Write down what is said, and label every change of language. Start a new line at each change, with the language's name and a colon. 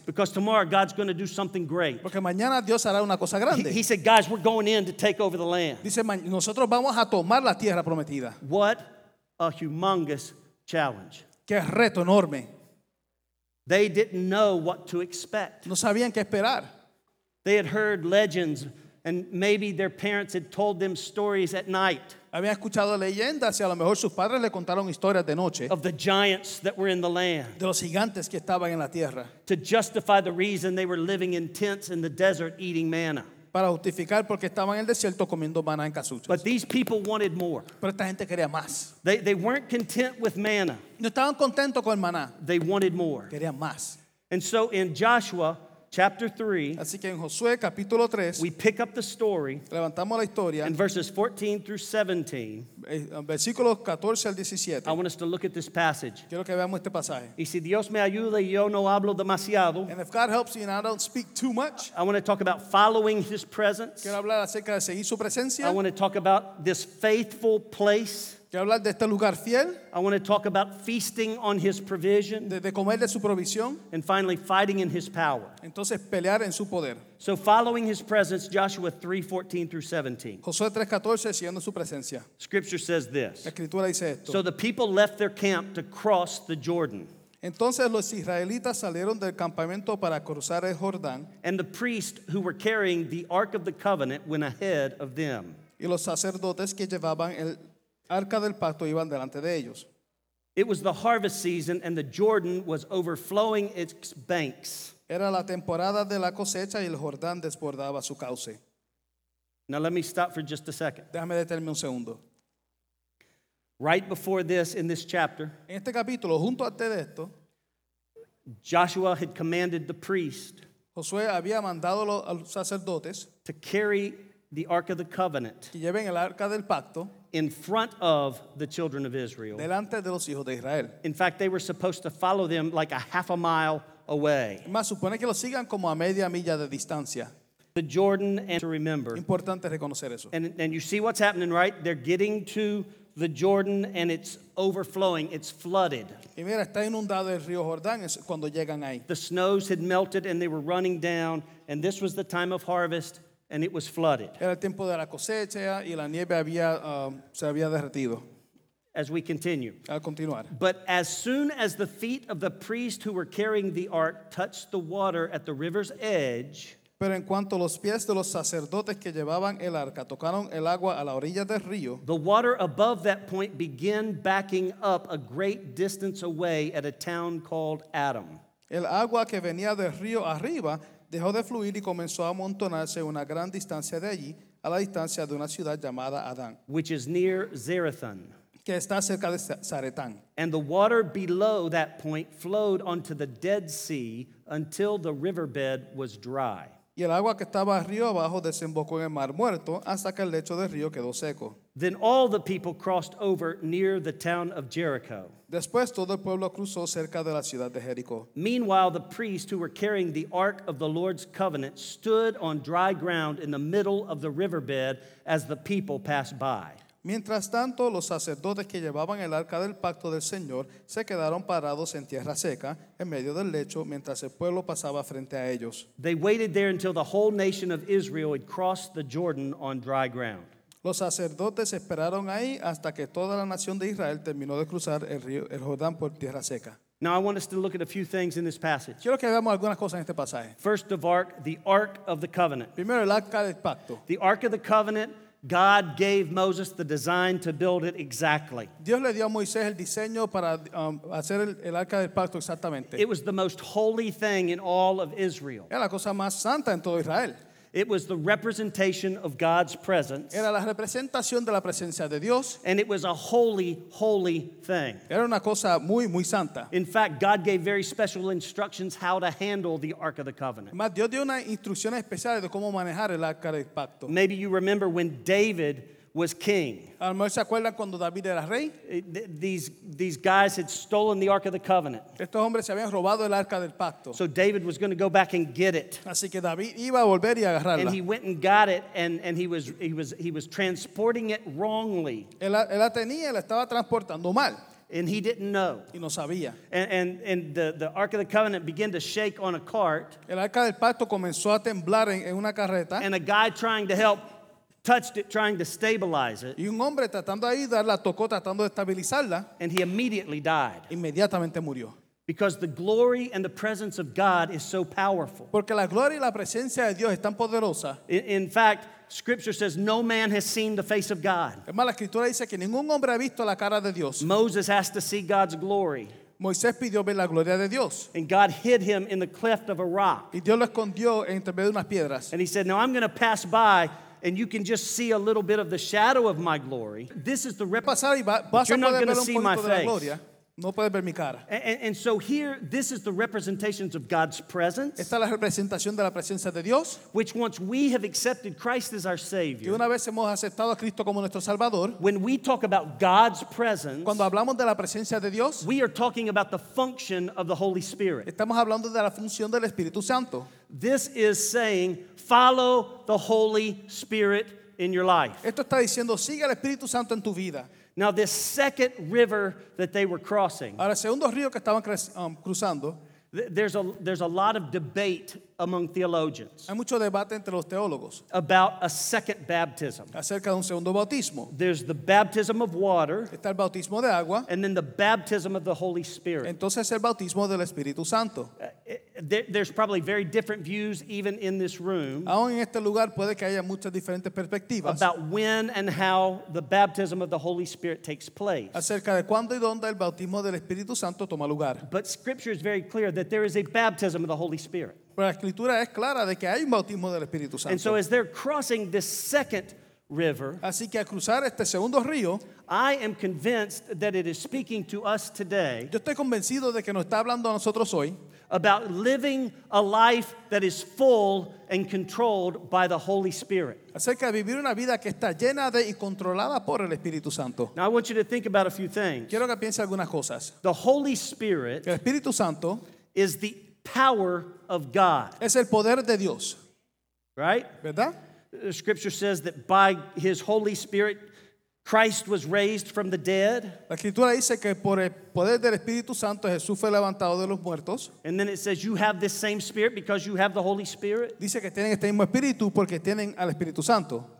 English: Because tomorrow God's going to do something great.
Spanish: Porque mañana Dios hará una cosa grande.
English: He said, guys, we're going in to take over the land.
Spanish: Dice, nosotros vamos a tomar la tierra prometida.
English: What a humongous challenge.
Spanish: Qué reto enorme.
English: They didn't know what to expect.
Spanish: No sabían qué esperar.
English: They had heard legends, and maybe their parents had told them stories at night.
Spanish: Habían escuchado leyendas y a lo mejor sus padres le contaron historias de noche.
English: Of the giants that were in the land.
Spanish: De los gigantes que estaban en la tierra.
English: To justify the reason they were living in tents in the desert eating manna.
Spanish: Para justificar porque estaban en el desierto comiendo maná en casuchos.
English: But these people wanted more.
Spanish: Pero esta gente quería más.
English: They weren't content with manna.
Spanish: No estaban contentos con el maná.
English: They wanted more.
Spanish: Querían más.
English: And so in Joshua chapter 3,
Spanish: así que en Josué, capítulo 3,
English: we pick up the story,
Spanish: levantamos la historia,
English: in verses 14 through 17,
Spanish: versículos 14 al 17.
English: I want us to look at this passage.
Spanish: Quiero que veamos este pasaje. Y si Dios me ayuda y yo no hablo demasiado,
English: and if God helps you and I don't speak too much, I want to talk about following his presence.
Spanish: Quiero hablar acerca de seguir su presencia.
English: I want to talk about this faithful place.
Spanish: Quiero hablar de este lugar fiel.
English: I want to talk about feasting on his provision.
Spanish: De comer de su provisión.
English: And finally, fighting in his power.
Spanish: Entonces, pelear en su poder.
English: So following his presence, Joshua 3:14 through 17.
Spanish: Josué 3:14, siguiendo su presencia.
English: Scripture says this.
Spanish: La escritura dice esto.
English: So the people left their camp to cross the Jordan.
Spanish: Entonces los israelitas salieron del campamento para cruzar el Jordán.
English: And the priests who were carrying the Ark of the Covenant went ahead of them.
Spanish: Y los sacerdotes que llevaban el Arca del Pacto iban delante de ellos.
English: It was the harvest season and the Jordan was overflowing its banks.
Spanish: Era la temporada de la cosecha y el Jordán desbordaba su cauce.
English: Now let me stop for just a second.
Spanish: Déjame detenerme un segundo.
English: Right before this, in this chapter,
Spanish: en este capítulo, junto antes de esto,
English: Joshua had commanded the priest,
Spanish: Josué había mandado a los sacerdotes,
English: to carry the Ark of the Covenant,
Spanish: que lleven el Arca del Pacto,
English: in front of the children of Israel.
Spanish: Delante de los hijos de Israel.
English: In fact, they were supposed to follow them like a half a mile away.
Spanish: Más, supone que los sigan como a media milla de distancia.
English: The Jordan, and to remember.
Spanish: Importante reconocer eso.
English: And you see what's happening, right? They're getting to the Jordan and it's overflowing, it's flooded.
Spanish: Y mira, está inundado el río Jordán cuando llegan ahí.
English: The snows had melted and they were running down, and this was the time of harvest. And it was flooded.
Spanish: Era el tiempo de la cosecha y la nieve había se había derretido.
English: As we continue.
Spanish: Al continuar.
English: But as soon as the feet of the priest who were carrying the ark touched the water at the river's edge.
Spanish: Pero en cuanto los pies de los sacerdotes que llevaban el arca tocaron el agua a la orilla del río.
English: The water above that point began backing up a great distance away at a town called Adam.
Spanish: El agua que venía del río arriba dejó de fluir y comenzó a amontonarse una gran distancia de allí, a la distancia de una ciudad llamada Adán,
English: which is near Zarethan,
Spanish: que está cerca de Zaretán.
English: And the water below that point flowed onto the Dead Sea until the riverbed was dry.
Spanish: Y el agua que estaba río abajo desembocó en el Mar Muerto hasta que el lecho del río quedó seco.
English: Then all the people crossed over near the town of Jericho.
Spanish: Después todo el pueblo cruzó cerca de la ciudad de Jericó.
English: Meanwhile, the priests who were carrying the Ark of the Lord's Covenant stood on dry ground in the middle of the riverbed as the people passed by.
Spanish: Mientras tanto, los sacerdotes que llevaban el Arca del Pacto del Señor se quedaron parados en tierra seca, en medio del lecho, mientras el pueblo pasaba frente a ellos.
English: They waited there until the whole nation of Israel had crossed the Jordan on dry ground.
Spanish: Los sacerdotes esperaron ahí hasta que toda la nación de Israel terminó de cruzar el río, el Jordán por tierra seca.
English: Now I want us to look at a few things in this passage.
Spanish: Quiero que veamos algunas cosas en este pasaje.
English: First of all, the Ark of the Covenant.
Spanish: Primero, el Arca del Pacto.
English: The Ark of the Covenant, God gave Moses the design to build it exactly.
Spanish: Dios le dio a Moisés el diseño para hacer el Arca del Pacto exactamente.
English: It was the most holy thing in all of Israel.
Spanish: Era la cosa más santa en todo Israel.
English: It was the representation of God's presence.
Spanish: Era la representación de la presencia de Dios.
English: And it was a holy, holy thing.
Spanish: Era una cosa muy, muy santa.
English: In fact, God gave very special instructions how to handle the Ark of the Covenant.
Spanish: Mas Dios dio unas instrucciones especiales de cómo manejar el Arca del Pacto.
English: Maybe you remember when David was king.
Spanish: ¿A lo mejor se acuerdan cuando David era rey?
English: These guys had stolen the Ark of the Covenant.
Spanish: Estos hombres se habían robado el Arca del Pacto.
English: So David was going to go back and get it.
Spanish: Así que David iba a volver y agarrarla.
English: And he went and got it, and he was transporting it wrongly.
Spanish: Él la tenía, la estaba transportando mal.
English: And he didn't know.
Spanish: Y no sabía.
English: And the Ark of the Covenant began to shake on a cart.
Spanish: El Arca del Pacto comenzó a temblar en una carreta.
English: And a guy trying to help touched it, trying to stabilize it.
Spanish: Y un hombre tratando de ayudarla, tocó tratando de estabilizarla.
English: And he immediately died.
Spanish: Inmediatamente murió.
English: Because the glory and the presence of God is so powerful.
Spanish: Porque la gloria y la presencia de Dios es tan poderosa.
English: In fact, Scripture says no man has seen the face of God.
Spanish: Es más, la escritura dice que ningún hombre ha visto la cara de Dios.
English: Moses has to see God's glory.
Spanish: Moisés pidió ver la gloria de Dios.
English: And God hid him in the cleft of a rock.
Spanish: Y Dios lo escondió entre medio de unas piedras.
English: And he said, "Now I'm going to pass by." And you can just see a little bit of the shadow of my glory. This is the representation. You're not going to see my face.
Spanish: No puedes ver mi cara.
English: And so here, this is the representations of God's presence.
Spanish: Esta es la representación de la presencia de Dios.
English: Which once we have accepted Christ as our Savior.
Spanish: Y una vez hemos aceptado a Cristo como nuestro Salvador.
English: When we talk about God's presence.
Spanish: Cuando hablamos de la presencia de Dios.
English: We are talking about the function of the Holy Spirit.
Spanish: Estamos hablando de la función del Espíritu Santo.
English: This is saying, follow the Holy Spirit in your life.
Spanish: Esto está diciendo, sigue al Espíritu Santo en tu vida.
English: Now this second river that they were crossing.
Spanish: Ahora, el segundo río que estaban cruzando.
English: There's a lot of debate among theologians.
Spanish: Hay mucho debate entre los teólogos.
English: About a second baptism.
Spanish: Acerca de un segundo bautismo.
English: There's the baptism of water.
Spanish: Está el bautismo de agua.
English: And then the baptism of the Holy Spirit.
Spanish: Entonces el bautismo del Espíritu Santo.
English: There's probably very different views even in this room.
Spanish: Aún en este lugar puede que haya muchas diferentes perspectivas.
English: About when and how the baptism of the Holy Spirit takes place.
Spanish: Acerca de cuándo y dónde el bautismo del Espíritu Santo toma lugar.
English: But Scripture is very clear that there is a baptism of the Holy Spirit.
Spanish: Pero la escritura es clara de que hay un bautismo del Espíritu Santo.
English: And so as they're crossing this second river,
Spanish: así que al cruzar este segundo río,
English: I am convinced that it is speaking to us today.
Spanish: Yo estoy convencido de que nos está hablando a nosotros hoy.
English: About living a life that is full and controlled by the Holy Spirit.
Spanish: Acerca de vivir una vida que está llena de y controlada por el Espíritu Santo.
English: Now I want you to think about a few things.
Spanish: Quiero que piense algunas cosas.
English: The Holy Spirit,
Spanish: el Espíritu Santo,
English: is the power of God.
Spanish: Es el poder de Dios.
English: Right?
Spanish: ¿Verdad?
English: The scripture says that by his Holy Spirit Christ was raised from the dead.
Spanish: La escritura dice que por el poder del Espíritu Santo Jesús fue levantado de los muertos.
English: And then it says you have this same spirit because you have the Holy Spirit.
Spanish: Dice que tienen este mismo espíritu porque tienen al Espíritu Santo.